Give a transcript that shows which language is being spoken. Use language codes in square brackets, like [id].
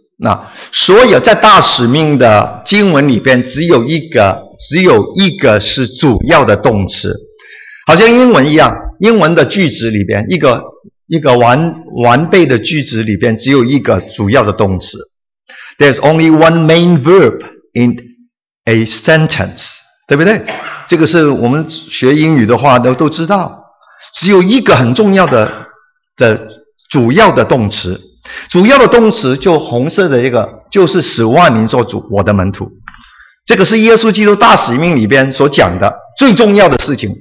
[zh] 那所有在大使命的经文里边，只有一个是主要的动词，好像英文一样，英文的句子里边一个完备的句子里边只有一个主要的动词。 [en] There's only one main verb in a sentence， [zh] 对不对？这个是我们学英语的话都知道，只有一个很重要的主要的动词，主要的动词就红色的一个，就是使万民做主我的门徒。这个是耶稣基督大使命里边所讲的最重要的事情。